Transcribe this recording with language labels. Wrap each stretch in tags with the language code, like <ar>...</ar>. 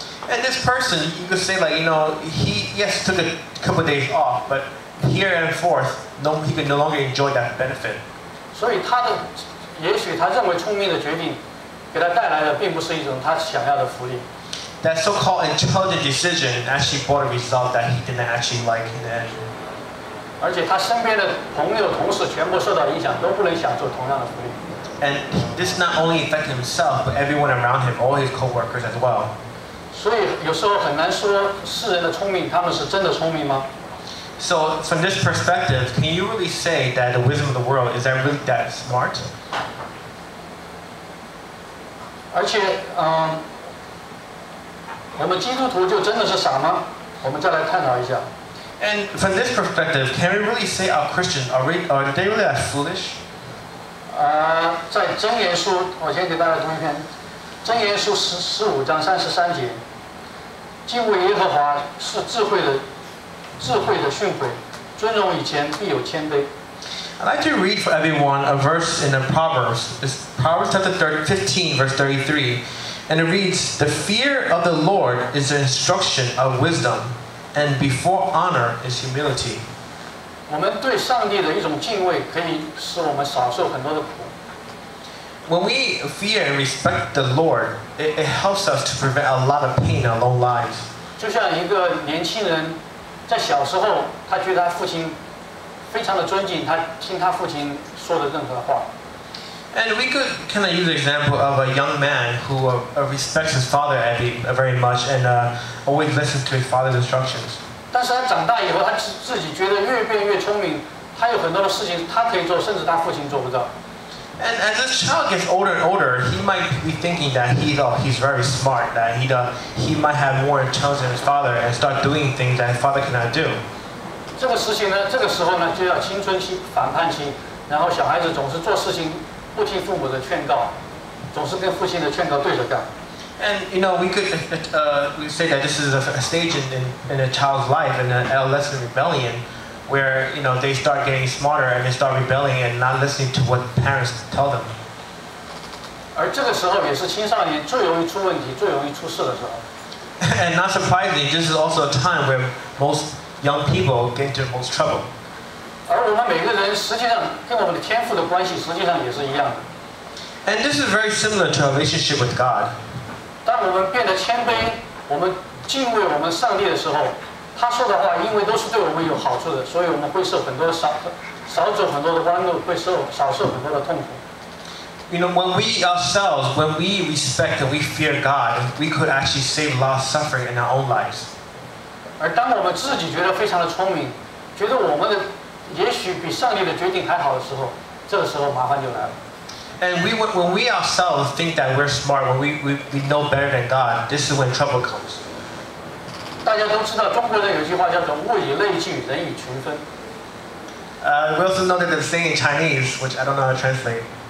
<en>And this person, you could say like, you know, he took a couple of days off, but here and forth, he could no longer enjoy that benefit.</en> <zh>所以他的, 也许他认为聪明的决定,给他带来的并不是一种他想要的福利。</zh> <en>That so-called intelligent decision actually brought a result that he didn't actually like in the end.</en> <zh>而且他身边的朋友同事全部受到影响，都不能享受同样的福利。</zh> <en>And this not only affected himself, but everyone around him, all his co-workers as well.</en> <zh>所以有时候很难说世人的聪明，他们是真的聪明吗？</zh> <en>So from this perspective, can you really say that the wisdom of the world, is that really that smart?</en> <zh>而且我们基督徒就真的是傻吗？我们再来探讨一下。</zh> <en>And from this perspective, can we really say our Christians, are they really that foolish?</en> <zh>在箴言书，我先给大家读一篇。箴言书15:33，敬畏耶和华是智慧的智慧的训诲，尊荣以前必有谦卑。</zh> <en>I'd like to read for everyone a verse in the Proverbs. It's Proverbs chapter 15, verse 33. And it reads, The fear of the Lord is the instruction of wisdom, and before honor is humility.</en> <zh>我们对上帝的一种敬畏可以使我们少受很多的苦。</zh> <en>When we fear and respect the Lord, it helps us to prevent a lot of pain in our own lives.</en> <zh>就像一个年轻人在小时候他觉得他父亲非常的尊敬他听他父亲说的任何话。</zh> <en>And we could kind of use the example of a young man who respects his father very much and always listens to his father's instructions.</en> <zh>但是他长大以后他自己觉得越变越聪明他有很多的事情他可以做甚至他父亲做不到。</zh> <en>And as this child gets older and older, he might be thinking that he's very smart, that he might have more intelligence than his father and start doing things that his father cannot do.</en> <zh>这个事情呢，这个时候呢，就要青春期反叛期，然后小孩子总是做事情不听父母的劝告，总是跟父亲的劝告对着干。</zh> <en>And you know, we could say that this is a stage in a child's life, in an adolescent rebellion. Where you know they start getting smarter and they start rebelling and not listening to what parents tell them.</en> <zh>而这个时候也是青少年最容易出问题、最容易出事的时候。</zh> <en>And not surprisingly, this is also a time where most young people get into most trouble.</en> <zh>而我们每个人实际上跟我们的天父的关系实际上也是一样的。</zh> <en>And this is very similar to our relationship with God.</en> <zh>当我们变得谦卑，我们敬畏我们上帝的时候。他说的话因为都是对我们有好处的所以我们会受很多少走很多的弯路会受少受很多的痛苦</zh> <en>You know, when we ourselves, when we respect and we fear God, we could actually save a lot of suffering in our own lives.</en> <zh>而当我们自己觉得非常的聪明觉得我们的也许比上帝的决定还好的时候这个时候麻烦就来了</zh> <en>And when we ourselves think that we're smart, when we know better than God, this is when trouble comes.</en> <zh>大家都知道中国人有句话叫做物以类聚人以群分。</zh> <en>We also know that the saying in Chinese, which I don't know how to translate.</en>